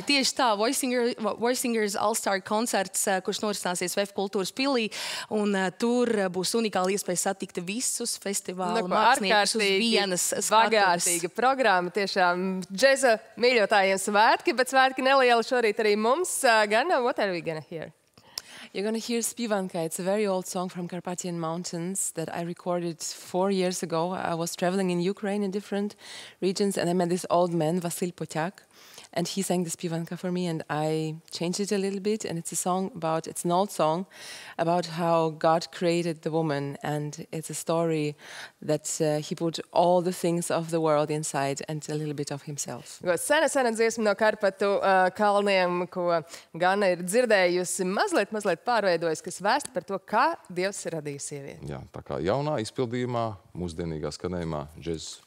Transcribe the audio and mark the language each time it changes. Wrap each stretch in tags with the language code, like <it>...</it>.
<lv>tieši tā, Voisingers All-Star koncerts, kurš norisināsies VEF kultūras pilī. Un tur būs unikāla iespēja satikt visus festivāla māksniekus uz vienas skatuves. Vagātīga programma, tiešām džeza mīļotājiem svētki, bet svētki nelieli šorīt arī mums.</lv> <en>Ganna, what are we gonna hear? You're gonna hear Spivanka. It's a very old song from Carpathian Mountains that I recorded 4 years ago. I was traveling in Ukraine in different regions and I met this old man, Vasil Potyak. And he sang the Spivanka for me and I changed it a little bit. And it's a song about, it's an old song about how God created the woman. And it's a story that he put all the things of the world inside and a little bit of himself.</en> <lv>Sena dziesma no Karpatu kalniem, ko Ganna ir dzirdējusi, mazliet pārveidojas, kas vēsta par to, kā Dievs ir radījis sievieti. Jā, tā kā jaunā izpildījumā, mūsdienīgā skanējumā, džez.</lv>